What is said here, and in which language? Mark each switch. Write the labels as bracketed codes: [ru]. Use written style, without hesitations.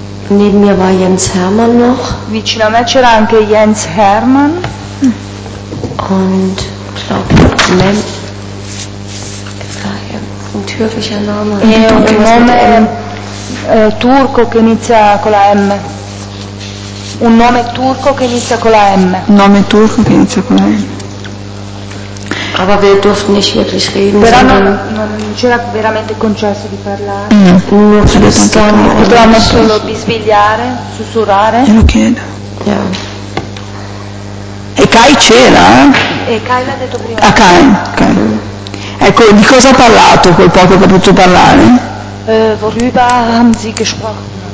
[de] Neben mir war Jens Hermann noch. [it] Vicino a me c'era anche Jens Hermann. [de] Und ich glaube Mem. Ein türkischer Name. Ein Name [it] turco che inizia con la M. Un nome turco che inizia con la M. Nome turco che inizia con la M. [de] Aber wir durften nicht wirklich reden. [it] Però non c'era veramente concesso di parlare. No. Potevamo solo bisbigliare, sussurrare. Io lo chiedo. Yeah. E Kai c'era? E Kai l'ha detto prima. A Kai, ok. Ecco, di cosa ha parlato quel poco che ha potuto parlare? [de] Worüber haben Sie gesprochen?